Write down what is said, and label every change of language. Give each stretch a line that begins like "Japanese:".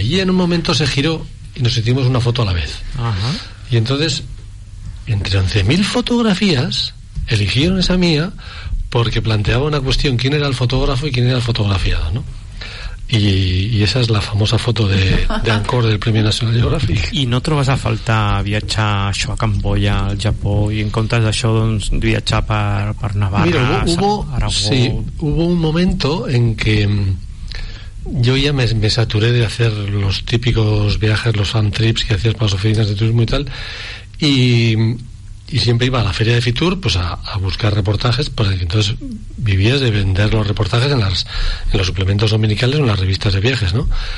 Spanish: Y en un momento se giró y nos hicimos una foto a la vez. Ajá. Y entonces, entre 11.000 fotografías, eligieron esa mía porque planteaba una cuestión: quién era el fotógrafo y quién era el fotografiado, ¿no? Y esa es la famosa foto de Angkor del Premio Nacional de Geografía.
Catalan: I no trobes a faltar viatjar això a Camboya, al Japó, i en comptes d'això, doncs, viatjar per Navarra,
Spanish: Aragó... Sí, hubo un momento en que Yo ya me saturé de hacer los típicos viajes, los fan trips que hacías para las oficinas de turismo y tal, y siempre iba a la feria de Fitur, pues a buscar reportajes, porque entonces vivías de vender los reportajes en los suplementos dominicales o en las revistas de viajes, ¿no?